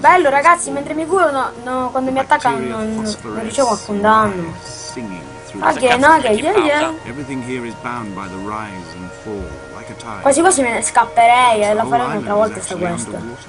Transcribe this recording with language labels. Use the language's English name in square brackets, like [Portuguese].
[Italian] Bello ragazzi, mentre mi curo no, quando mi attaccano non ricevo alcun danno. [English] Everything here is bound by the rise and fall like a tide. [Italian] Quasi quasi me ne scapperei e la farò un'altra volta sta questa.